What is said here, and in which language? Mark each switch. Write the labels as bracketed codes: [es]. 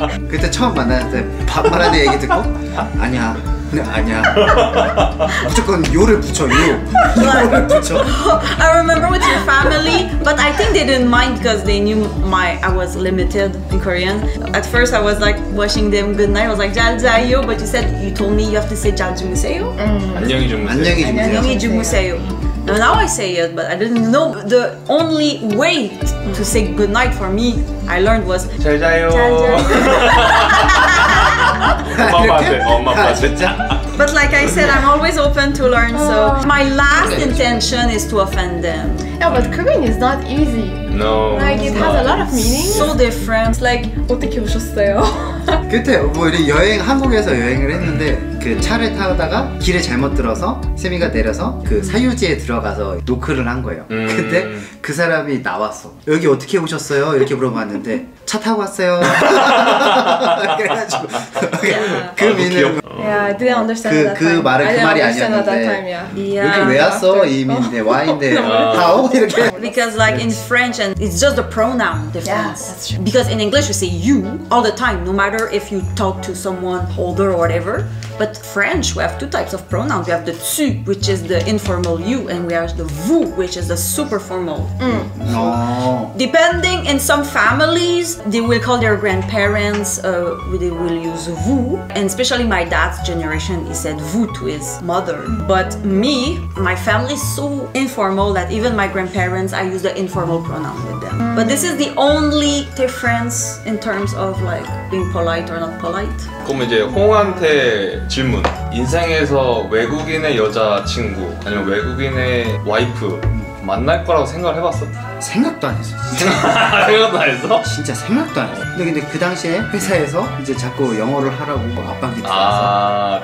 [ko] 그때 처음 만났을 때 반말하는 얘기 듣고 아니야, 아니야. 무조건 요를 붙여 요. 요를 붙여. [en] I remember with your family, but I think they didn't mind because they knew I was limited in Korean. At first, I was like wishing them good night. I was like [ko] 잘 자요, [en] but you said you told me you have to say [ko] 잘 주무세요. 안녕히 주무세요. 안녕히 주무세요. [en] Now I say it, but I didn't know the only way to say goodnight for me, I learned was [ko] 잘 자요. 엄마 아빠한테, 엄마 아빠한테. [en] But like I said, I'm always open to learn, so my last intention is to offend them. Yeah, but Korean is not easy. No. Like it has a lot of meaning. So different. Like, [ko] 어떻게 오셨어요? 그때 뭐 우리 여행 한국에서 여행을 했는데 그 차를 타다가 길에 잘못 들어서 세미가 내려서 그 사유지에 들어가서 노크를 한 거예요. 근데 그 사람이 나왔어. 여기 어떻게 오셨어요? 이렇게 물어봤는데 차 타고 왔어요. 그래가지고 그 미는 [en] yeah, didn't understand that time. [ko] 그 말은 그 말이 아니었는데 여기 왜 왔어? 이 미인데 와인데 타오 이렇게 [en] because like in French and it's just the pronoun difference. Because in English we say you all the time, no matter if you talk to someone older or whatever. But French, we have two types of pronouns. We have the tu, which is the informal you, and we have the vous, which is the super formal. No. Depending in some families, they will call their grandparents, they will use vous. And especially my dad's generation, he said vous to his mother. But me, my family is so informal that even my grandparents, I use the informal pronoun with them. But this is the only difference in terms of like being polite or not polite. [ko] 그럼 이제 홍한테 질문. 인생에서 외국인의 여자친구 아니면 외국인의 와이프 만날 거라고 생각을 해봤어? 생각도 안 했어. 생각도 안 했어? 진짜 생각도 안 했어. 근데 그 당시에 회사에서 이제 자꾸 영어를 하라고 압박이 들어와서